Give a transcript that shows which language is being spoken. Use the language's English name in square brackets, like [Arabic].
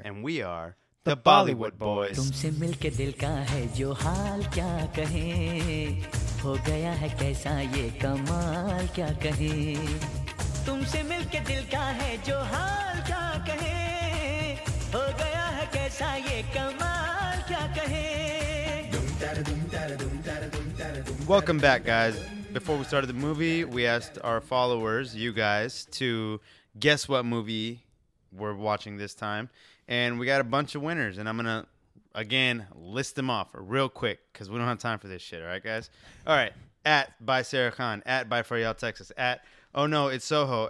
[English] And we are the Bollywood Boys. [Hindi] तुमसे मिलके दिल का है जो हाल क्या कहें हो गया है कैसा ये कमाल क्या कहें तुमसे मिलके दिल का है जो हाल क्या कहें हो गया है कैसा ये कमाल क्या कहें. [English] Welcome back, guys. Before we started the movie, we asked our followers, you guys, to guess what movie we're watching this time. And we got a bunch of winners. And I'm going to, again, list them off real quick because we don't have time for this shit. All right, guys? All right. At By Sarah Khan. At By Faryal Texas. At Oh No, It's Soho.